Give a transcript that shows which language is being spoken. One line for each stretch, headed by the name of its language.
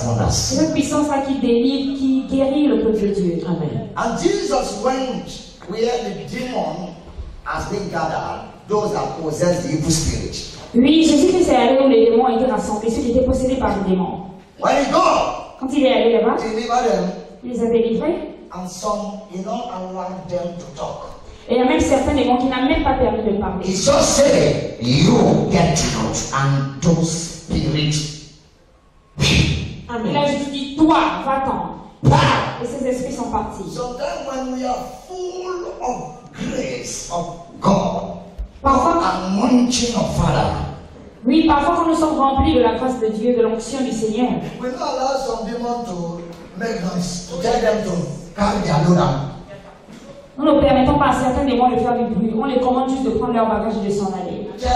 French: Cette puissance là qui délivre, qui guérit le peuple de Dieu. Amen.
English: And Jesus went where the demon has been gathered, those that possess the evil spirit.
French: Oui, Jésus-Christ est allé où les démons étaient rassemblés, ceux qui étaient possédés par les démons.
English: When he go,
French: quand il est allé là-bas,
English: he delivered them,
French: il les a délivrés.
English: And some, he not allowed them to talk.
French: Et il y a même certains démons qui n'ont même pas permis de parler.
English: He just said, you get out and those spirits.
French: Amen. Et là, je te dis, toi, va-t'en. Bah! Et ces esprits sont partis.
English: So that when we are full of grace of God,
French: parfois,
English: anointing of Father.
French: Oui, parfois quand nous sommes remplis de la grâce de Dieu, de l'onction du Seigneur.
English: We don't allow some demons to make noise, to tell them to carry their load out.
French: Nous ne permettons pas à certains démons de faire du bruit. On les commande juste de prendre leur bagage et de s'en aller.